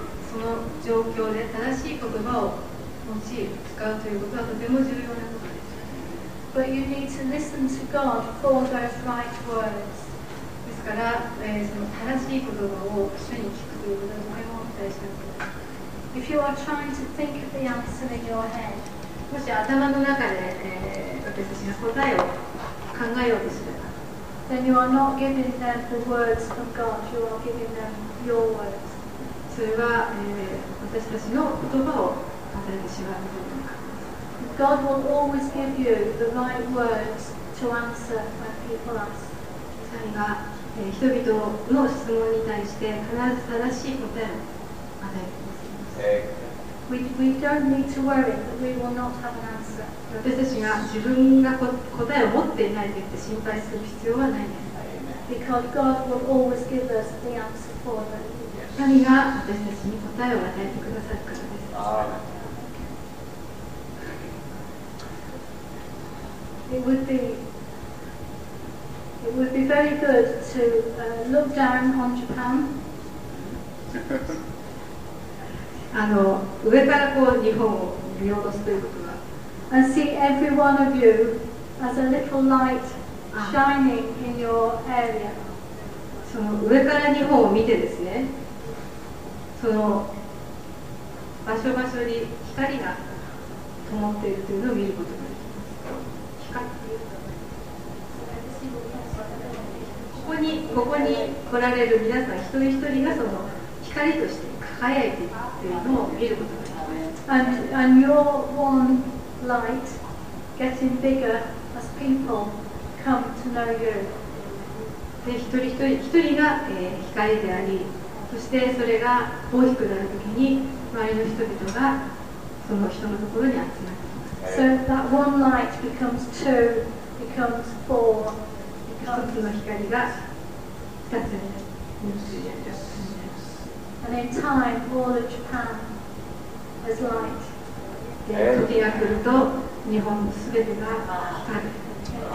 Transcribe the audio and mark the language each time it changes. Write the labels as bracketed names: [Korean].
[Japanese] その状況で正しい言葉を用い、使うということはとても重要なことです。 [English] But you need to listen to God for those right words. [Japanese] ですから、その正しい言葉を主に聞くということはとても大事なことです。 [English] If you are trying to think of the answer in your head, [Japanese] もし頭の中で、私たちの答えを考えようとすれば、 [English] Then you are not giving them the words of God. You are giving them your words. [Japanese] それは、私たちの言葉を与えてしまうことになる。 [English] God will always give you the right words to answer when people ask. [Japanese] 神が、人々の質問に対して必ず正しい答えを与えてくださいます。 [English] We don't need to worry that we will not have an answer. [Japanese] 私たちが自分が答えを持っていないと言って心配する必要はないです。 [English] Because God will always give us the answer for us. [Japanese] 神が私たちに答えを与えてくださるからです。 [English] It would be very good to look down on Japan. [Japanese] 上からこう日本を見下ろすということは、 [English] And see every one of you as a little light shining in your area. [Japanese] その上から日本を見てですね、その場所場所に光が灯っているというのを見ることができます。ここに来られる皆さん一人一人がその光として輝いているというのを見ることができます。 [English] And your own light getting bigger as people come to know you. [Japanese] で、一人一人が、光であり、そしてそれが大きくなるときに周りの人々がその人のところに集まっています。 [English] So that one light becomes two, becomes four, [Japanese] becomes 一つの光が二つになる。Yes. [English] And in time, all of Japan is light. [Japanese] で、時が来ると日本のすべてが光る。